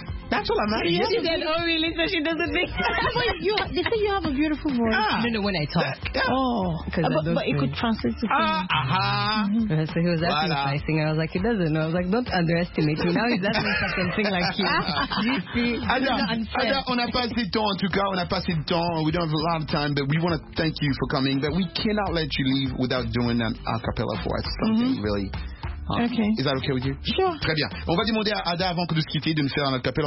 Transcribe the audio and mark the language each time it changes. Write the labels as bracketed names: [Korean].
[English] That's all I'm asking. She said, oh, really? So she doesn't think. They say you have a beautiful voice. Ah, no, when I talk. But it could translate to something. Uh-huh. So he was asking if I sing. I was like, he doesn't know. I was like, don't underestimate me. Now he's asking if I can sing like you. You see, [French] Ada, on a passé le temps, en tout cas. On a passé le temps. [English] We don't have a lot of time, but we want to thank you for coming. But we cannot let you leave without doing an a cappella for us. Something really... Okay. Is that okay with you? Sure. [French] Très bien. On va demander à Ada, avant que de se quitter, de nous faire un acapella.